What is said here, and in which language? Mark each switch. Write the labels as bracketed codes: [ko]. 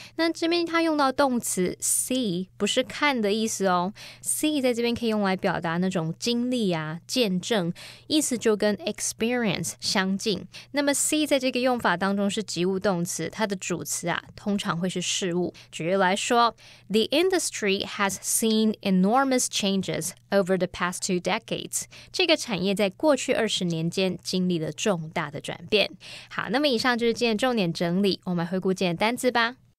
[zh] 那这边他用到动词 see, 不是看的意思哦。 See 在这边可以用来表达那种经历啊见证意思就跟 experience 相近。那么 see 在这个用法当中是及物动词它的主词啊通常会是事物。 [en] 举例来说 ,The industry has seen enormous changes over the past 2 decades. [zh] 这个产业在过去20年间经历了重大的转变。好，那么以上就是今天重点整理，我们回顾今天的单字吧。